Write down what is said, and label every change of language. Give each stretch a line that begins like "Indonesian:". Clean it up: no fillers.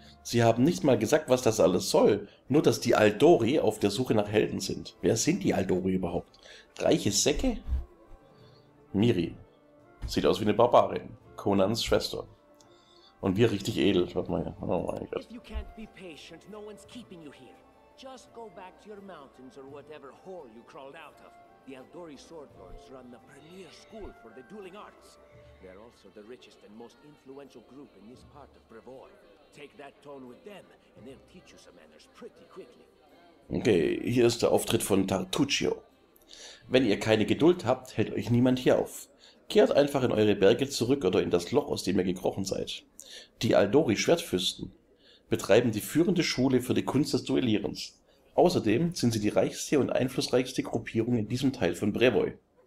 German: Sie haben nicht mal gesagt, was das alles soll. Nur, dass die Aldori auf der Suche nach Helden sind. Wer sind die Aldori überhaupt? Reiche Säcke? Miri. Sieht aus wie eine Barbarin. Conans Schwester. Und wir richtig edel. Warte mal hier. Oh mein Gott. Wenn du nicht patient bist, niemand hält dich hier.
English: Just go back to your mountains or whatever hole you crawled out of. The Aldori Swordlords run the premier school for the dueling arts. They're also the richest and most influential group in this part of Brevoort. Take that tone with them and they'll teach you some manners pretty quickly.
German: Okay, hier ist der Auftritt von Tartuccio. Wenn ihr keine Geduld habt, hält euch niemand hier auf. Kehrt einfach in eure Berge zurück oder in das Loch, aus dem ihr gekrochen seid. Die Aldori Schwertfürsten betreiben die führende Schule für die Kunst des Duellierens. Außerdem sind sie die reichste und einflussreichste Gruppierung in diesem Teil von Brevoy.